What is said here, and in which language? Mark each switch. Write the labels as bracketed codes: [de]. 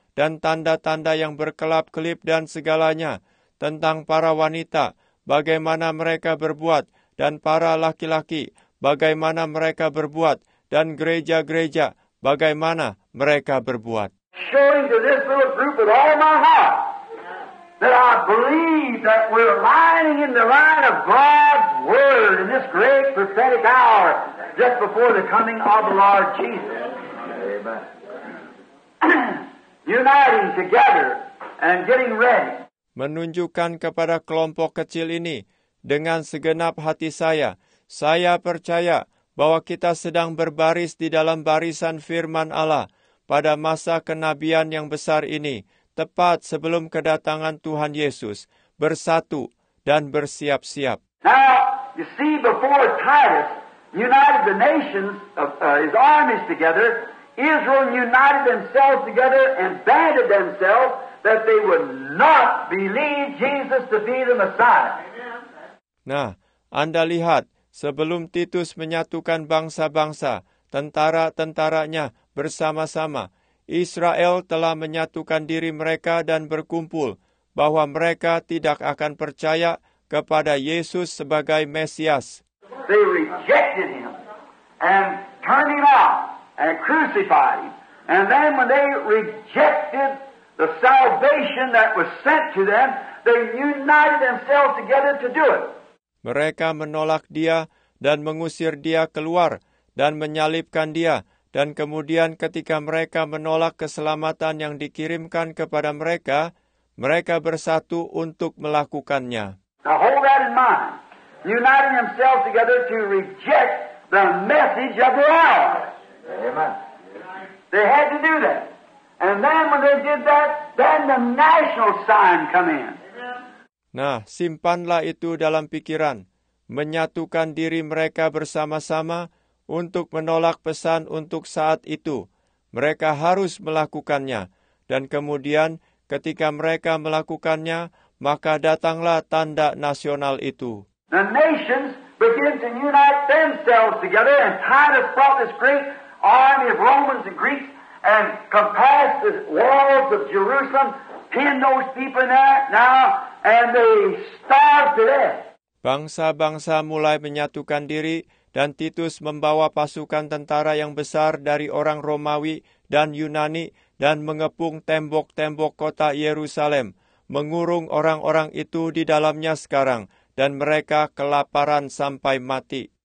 [id] dan tanda-tanda yang berkelap-kelip dan segalanya tentang para wanita, bagaimana mereka berbuat, dan para laki-laki, bagaimana mereka berbuat, dan gereja-gereja, bagaimana mereka berbuat. [en] Showing to this little group with all my heart that I believe that we're lining in the line of God's Word in this great prophetic hour just before the coming of the Lord Jesus. Amen. Uniting together and getting ready. [id] Menunjukkan kepada kelompok kecil ini, dengan segenap hati saya percaya bahwa kita sedang berbaris di dalam barisan firman Allah pada masa kenabian yang besar ini, tepat sebelum kedatangan Tuhan Yesus, bersatu dan bersiap-siap. [en] Now, you see, before Titus united the nations of his armies together, Israel united themselves together and banded themselves that they would not believe Jesus to be the Messiah. [id] Nah, Anda lihat, sebelum Titus menyatukan bangsa-bangsa, tentara-tentaranya bersama-sama, Israel telah menyatukan diri mereka dan berkumpul bahwa mereka tidak akan percaya kepada Yesus sebagai Mesias. [en] They rejected him and turned him out and crucified him. And then when they rejected the salvation that was sent to them, they united themselves together to do it. [id] Mereka menolak dia dan mengusir dia keluar dan menyalibkan dia. Dan kemudian ketika mereka menolak keselamatan yang dikirimkan kepada mereka, mereka bersatu untuk melakukannya. [en] Now hold that in mind. Uniting themselves together to reject the message of the hour. Amen. They had to do that. And then when they did that, then the national sign come in. [id] Nah, simpanlah itu dalam pikiran, menyatukan diri mereka bersama-sama untuk menolak pesan untuk saat itu. Mereka harus melakukannya, dan kemudian ketika mereka melakukannya, maka datanglah tanda nasional itu. [en] The nations begin to unite themselves together, and Titus brought this great army of Romans and Greeks and compassed the walls of Jerusalem, pinned those people in there now. And they starved to death. [id] Bangsa-bangsa mulai menyatukan diri, dan Titus membawa pasukan tentara yang besar dari orang Romawi dan Yunani dan mengepung tembok-tembok kota Yerusalem, mengurung orang-orang itu di dalamnya sekarang, dan mereka kelaparan sampai mati.